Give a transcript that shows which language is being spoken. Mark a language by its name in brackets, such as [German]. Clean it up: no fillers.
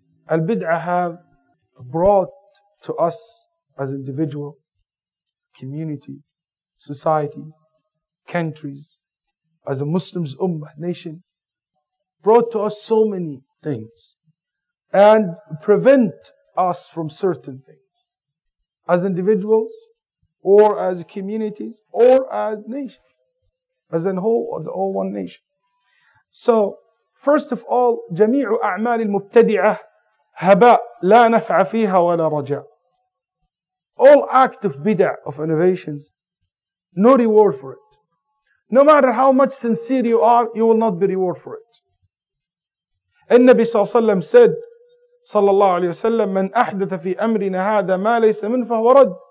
[English] البدعة have brought to us as individual, community, society, countries, as a Muslims, ummah, nation, brought to us so many things and prevent us from certain things as individuals or as communities or as nation, as a whole, as all one nation. So, first of all, [Arabic] جميع أعمال المبتدعة هباء لا نفع فيها ولا رجاء. [English] All act of bid'ah, of innovations, no reward for it. No matter how much sincere you are, you will not be rewarded for it. And Nabi said, sallallahu alayhi wa sallam, [Arabic] man ahdatha fi amrina hadha ma laysa min fa huwa rad.